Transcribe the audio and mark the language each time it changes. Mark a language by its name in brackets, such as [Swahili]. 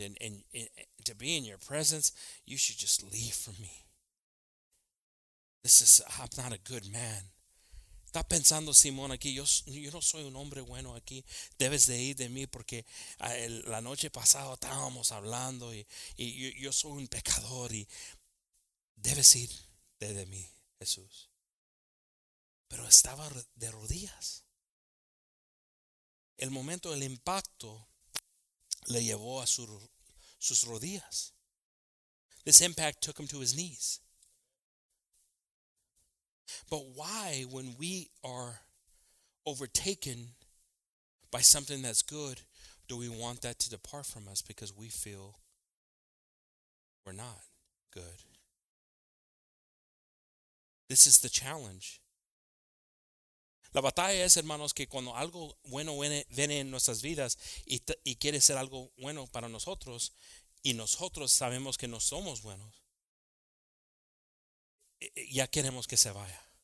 [English] And to be in your presence, you should just leave from me. This is, I'm not a good man. [Spanish] Está pensando Simón aquí, yo no soy un hombre bueno aquí, debes de ir de mí porque la noche pasada estábamos hablando y yo soy un pecador y debes ir de mí, Jesús. Pero estaba de rodillas. El momento del impacto le llevó a sus rodillas. [English] This impact took him to his knees. But why, when we are overtaken by something that's good, do we want that to depart from us because we feel we're not good? This is the challenge. [Spanish] La batalla es, hermanos, que cuando algo bueno viene en nuestras vidas y quiere ser algo bueno para nosotros, y nosotros sabemos que no somos buenos, ya queremos que se vaya.